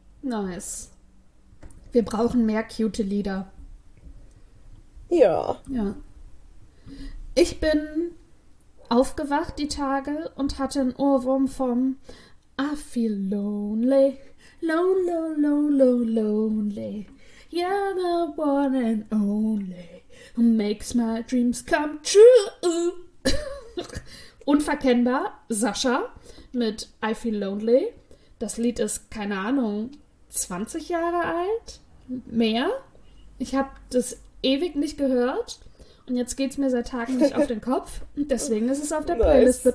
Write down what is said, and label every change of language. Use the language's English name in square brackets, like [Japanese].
[English] Nice. [German] Wir brauchen mehr cute Lieder. Ja. Ja. Ich bin aufgewacht die Tage und hatte einen Ohrwurm vom I feel lonely. [English] Low, low, low, low, lonely. You're the one and only who makes my dreams come true. [German] Unverkennbar, Sascha mit I feel lonely. Das Lied ist, keine Ahnung, 20 Jahre alt, mehr. Ich habe das ewig nicht gehört und jetzt geht es mir seit Tagen nicht auf den Kopf. Deswegen ist es auf der Playlist mit